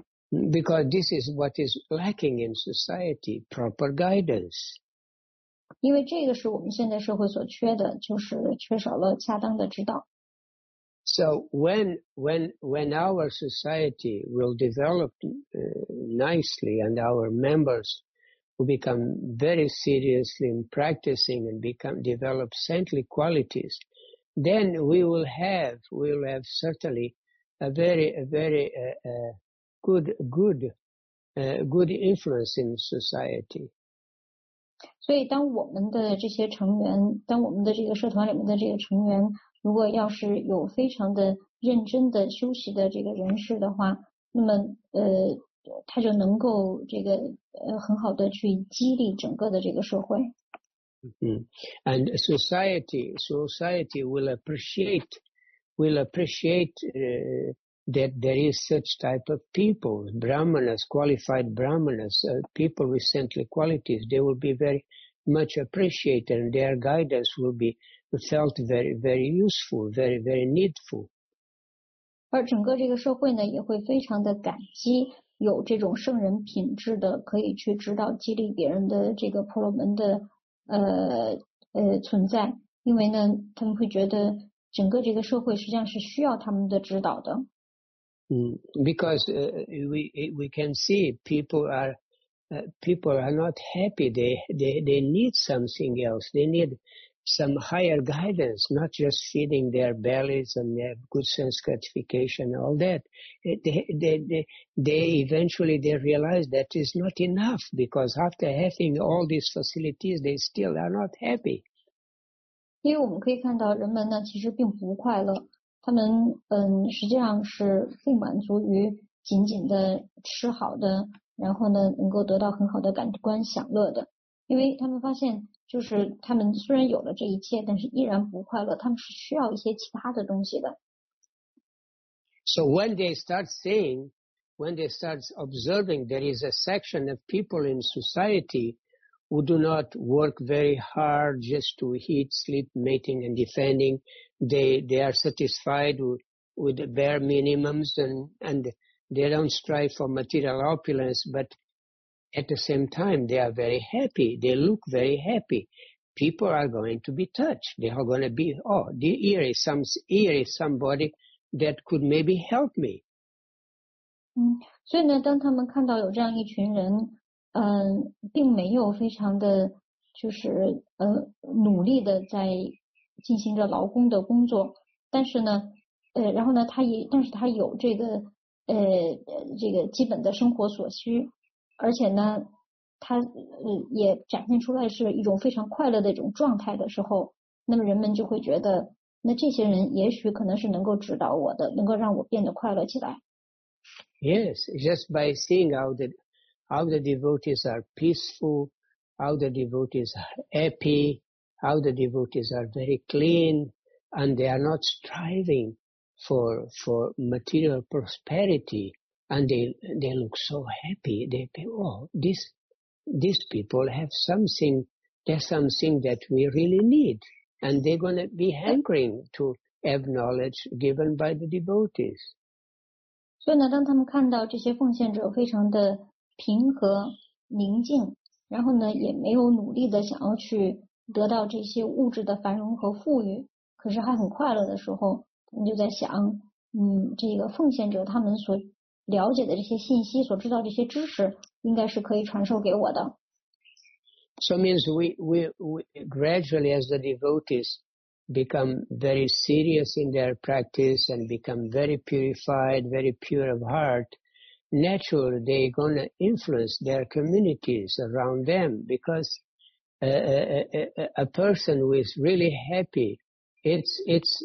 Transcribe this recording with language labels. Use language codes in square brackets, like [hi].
[en] Because this is what is lacking in society, proper guidance. [zh] 因为这个是我们现在社会所缺的，就是缺少了恰当的指导。 [en] So when our society will develop nicely and our members will become very seriously in practicing and develop saintly qualities, then we will have certainly a very good influence in society. [zh] 所以当我们的这些成员，当我们的这个社团里面的这个成员，如果要是有非常的认真的修习的这个人士的话，那么他就能够这个很好的去激励整个的这个社会。 [en] And society will appreciate that there is such type of people, brahmanas, qualified brahmanas, people with saintly qualities. They will be very much appreciated, and their guidance will be felt very, very useful, very, very needful. [zh] 而整个这个社会呢，也会非常的感激有这种圣人品质的，可以去指导激励别人的这个婆罗门的存在，因为呢，他们会觉得整个这个社会实际上是需要他们的指导的。 [en] Because we can see people are not happy. They need something else. They need some higher guidance, not just feeding their bellies and their good sense gratification. All that they eventually realize that is not enough, because after having all these facilities, they still are not happy. [zh] 因为我们可以看到，人们呢其实并不快乐。他们实际上是不满足于仅仅的吃好的，然后呢能够得到很好的感官享乐的，因为他们发现就是他们虽然有了这一切，但是依然不快乐，他们是需要一些其他的东西的。 [en] So when they start observing there is a section of people in society who do not work very hard just to eat, sleep, mating and defending, they are satisfied with the bare minimums and they don't strive for material opulence, but at the same time they are very happy, they look very happy, people are going to be touched, they are going to be, oh, here is somebody that could maybe help me. [zh] 所以呢，当他们看到有这样一群人并没有非常的就是努力的在进行着劳工的工作，但是呢然后呢他也，但是他有这个这个基本的生活所需，而且呢他也展现出来是一种非常快乐的一种状态的时候，那么人们就会觉得，那这些人也许可能是能够指导我的，能够让我变得快乐起来。 [en] Yes, just by seeing how the devotees are peaceful, how the devotees are happy, how the devotees are very clean, and they are not striving for material prosperity, and they look so happy. They say, oh, these people have something, there's something that we really need, and they're going to be hankering to have knowledge given by the devotees. So, when they see these devotees very [zh] 平和宁静，然后呢也没有努力的想要去得到这些物质的繁荣和富裕，可是还很快乐的时候，你就在想，这个奉献者他们所了解的这些信息，所知道这些知识，应该是可以传授给我的。 [en] So means we gradually as the devotees become very serious in their practice and become very purified, very pure of heart, naturally they're going to influence their communities around them because a person who is really happy, it